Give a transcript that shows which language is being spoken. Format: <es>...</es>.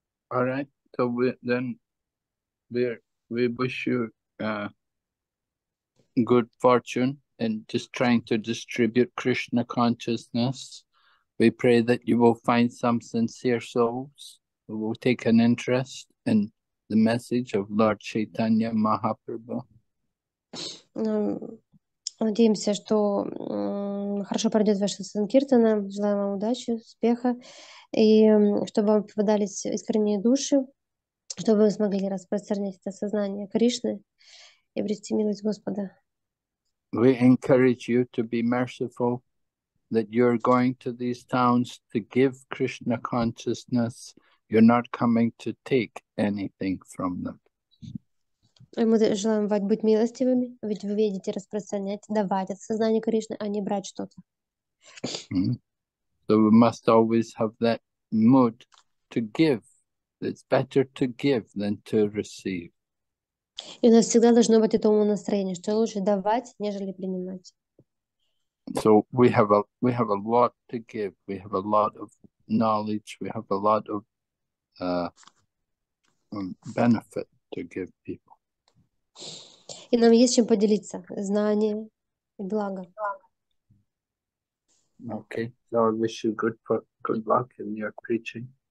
<en>All right, so we wish you good fortune in just trying to distribute Krishna consciousness. We pray that you will find some sincere souls who will take an interest in the message of Lord Chaitanya Mahaprabhu.</en> <ru>Надеемся, что хорошо пройдет ваша санкиртана. Желаем вам удачи, успеха. И чтобы вам попадались искренние души, чтобы вы смогли распространить это сознание Кришны и обрести милость Господа.</ru> <en>We encourage you to be merciful. That you're going to these towns to give Krishna consciousness, you're not coming to take anything from them.</en> <ru>Мы желаем вам быть милостивыми, ведь вы едете распространять, давать от сознания Кришны, а не брать что-то.</ru> <en>So we must always have that mood to give. It's better to give than to receive.</en> <ru>И у нас всегда должно быть это настроение, что лучше давать, нежели принимать.</ru> <en>So we have a lot to give. We have a lot of knowledge. We have a lot of benefit to give people.</en> <ru>И нам есть чем поделиться: знания и благо.</ru> <en>Okay. So I wish you good luck in your preaching.</en>